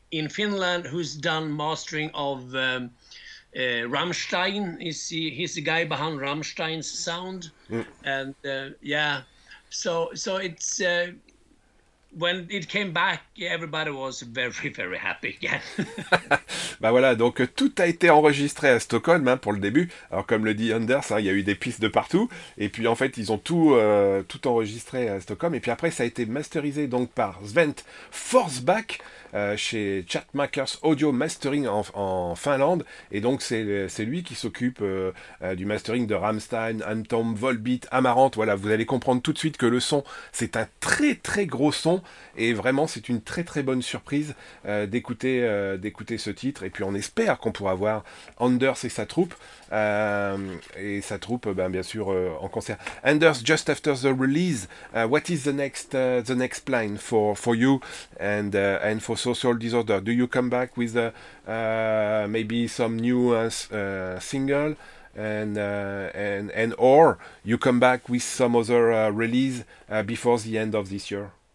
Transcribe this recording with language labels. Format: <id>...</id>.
<en>in Finland who's done mastering of Rammstein. He's the guy behind Rammstein's sound. Mm. And yeah, so it's when it came back, everybody was very, very happy again.</en> <fr>Ben voilà, donc tout a été enregistré à Stockholm hein, pour le début. Alors comme le dit Anders, hein, il y a eu des pistes de partout. Et puis en fait, ils ont tout enregistré à Stockholm. Et puis après, ça a été masterisé donc par Svent Forsback chez Chatmakers Audio Mastering en Finlande. Et donc c'est lui qui s'occupe du mastering de Rammstein, Anthem, Volbeat, Amaranth. Voilà, vous allez comprendre tout de suite que le son, c'est un très très gros son. Et vraiment, c'est une très très bonne surprise d'écouter ce titre. Et puis on espère qu'on pourra voir Anders et sa troupe. Et sa troupe, ben, bien sûr, en concert.</fr> <en>Anders, just after the release, what is the next plan for you and for Social Disorder? Do you come back with maybe some new single and or you come back with some other release before the end of this year?</en>